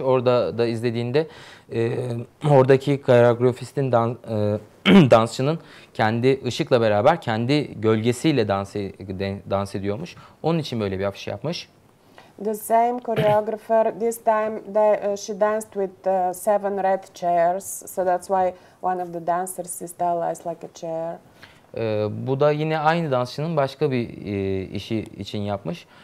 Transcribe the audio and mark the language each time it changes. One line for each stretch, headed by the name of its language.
Turkish: Orada da izlediğinde oradaki koreografistin dansçının kendi ışıkla beraber kendi gölgesiyle dans ediyormuş. Onun için böyle bir afiş yapmış.
English: The same choreographer this time she danced with seven red chairs. So that's why one of the dancers is stylized like a chair.
Turkish: Bu da yine aynı dansçının başka bir işi için yapmış.